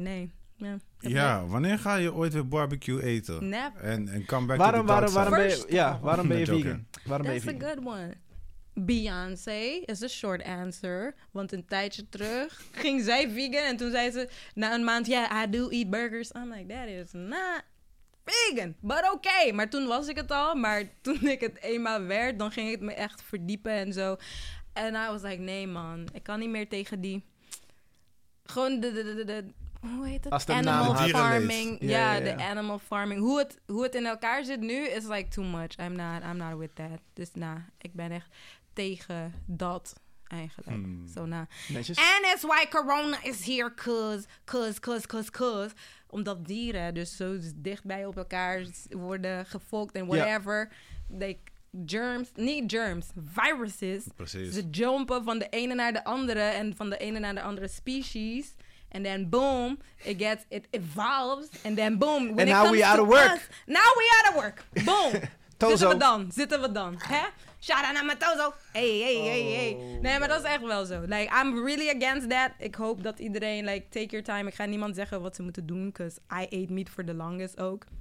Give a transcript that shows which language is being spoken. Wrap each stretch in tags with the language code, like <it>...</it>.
<nl>Nee. Ja, wanneer ga je ooit weer barbecue eten?</nl> <en>Never. En come back</en> <nl>waarom ben je, waarom ben je vegan? Waarom</nl> <en>That's</en> <nl>ben je</nl> <en>a good one. Beyoncé is a short answer.</en> <nl>Want een tijdje terug ging zij vegan. En toen zei ze na een maand,</nl> <en>yeah, I do eat burgers. I'm like, that is not vegan, but okay.</en> <nl>Maar toen was ik het al. Maar toen ik het eenmaal werd, dan ging ik het me echt verdiepen en zo. En</nl> <en>I was like,</en> <nl>nee man, ik kan niet meer tegen die... Gewoon de hoe heet het? Als de</nl> <en>animal</en> <nl>naam</nl> <en>farming. Ja, de animal farming.</en> <nl>Hoe het in elkaar zit nu,</nl> <en>is like too much. I'm not with that.</en> <nl>Dus ik ben echt tegen dat eigenlijk.</nl> <en>Zo And that's why corona is here, cuz.</en> <nl>Omdat dieren dus zo dichtbij op elkaar worden gefokt en whatever.</nl> <en>Yeah. They germs, niet germs, viruses.</en> <nl>Precies. Ze jumpen van de ene naar de andere en van de ene naar de andere species.</nl> <en>And then boom, it evolves. And then boom. When and now we out of work. Us, now we out of work. Boom.</en> <nl>Zitten we dan? Hè? Shout out naar mijn Tozo. Hey. Nee, maar dat is echt wel zo.</nl> <en>Like, I'm really against that.</en> <nl>Ik hoop dat iedereen, like,</nl> <en>take your time.</en> <nl>Ik ga niemand zeggen wat ze moeten doen.</nl> <en>Because I ate meat for the longest ook.</en>